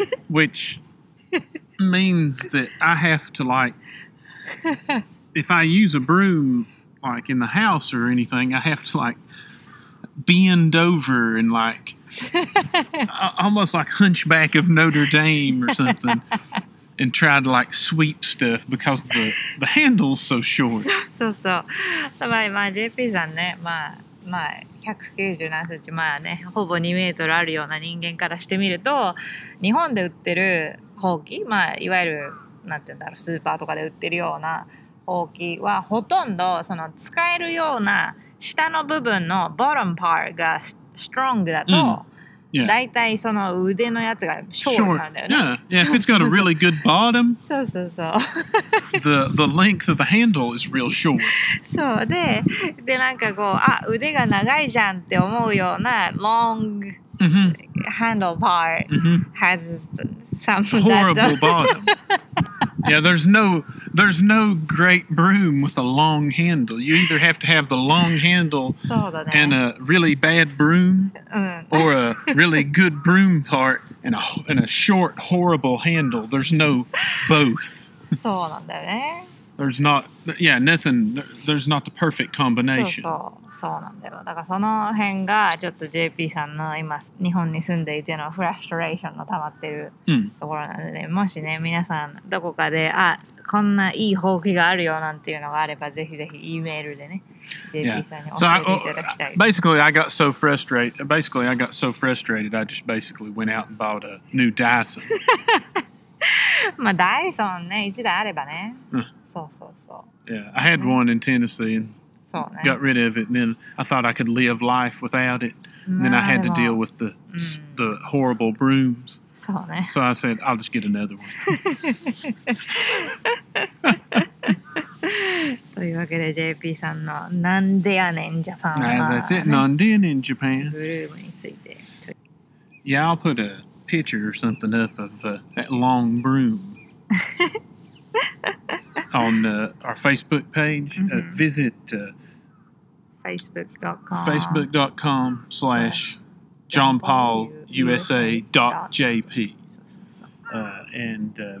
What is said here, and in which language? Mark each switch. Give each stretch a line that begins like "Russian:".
English: Which means that I have to like, if I use a broom like in the house or anything, I have to like bend over and like, almost like Hunchback of Notre Dame or something. And try to like sweep stuff because the handle's so short.
Japanese: そうそう。まあまあ JP さんね、まあまあ197センチ、まあね、ほぼ2メートルあるような人間からしてみると、日本で売ってるほうき、まあいわゆるなんて言うんだろう、スーパーとかで売ってるようなほうきはほとんどその使えるような下の部分のボトムパーがストロングだと、
English: Yeah.
Japanese: だいたいその腕のやつがショートなんだよね。
English: Yeah, if it's got a really good bottom,
Japanese: そうそうそう。
English: the length of the handle is real short.
Japanese: そうで、でなんかこう、あ、腕が長いじゃんって思うような
English: long handle part has some horrible bottom. Yeah, there's no great broom with a long handle. You either have to have the long handle and a really bad broom, or a really good broom part and a short, horrible handle. There's no both.
Japanese: そうなんだよね。
English: There's not, yeah, nothing. There's not the perfect combination.
Japanese: そうなんだよ。だからその辺がちょっと JP さんの今日本に住んでいてのフラストレーションの溜まってるところなので、もしね、皆さんどこかで、あ、こんないいほうきがあるよなんていうのがあれば、ぜひぜひ E メールでね、JP さんに教えていただきたい。
English: Basically, I got so frustrated. Basically, I got so frustrated. I just basically went out and bought a new Dyson.
Japanese: まあ、ダイソンね、一台あればね。そうそうそう。
English: Yeah, I had one in Tennessee and got rid of it. And then I thought I could live life without it. And then I had to deal with the horrible brooms.
Japanese: そうね。
English: So I said, I'll just get another one.
Japanese: というわけで JP さんのなんでやねんジャパンは、ね、
English: That's it,
Japanese: なんでやねんジャパン。ブルームについて。
English: Yeah, I'll put a picture or something up of that long broom on our Facebook page. Visit Facebook.com facebook.com/ johnpaulusa.jp.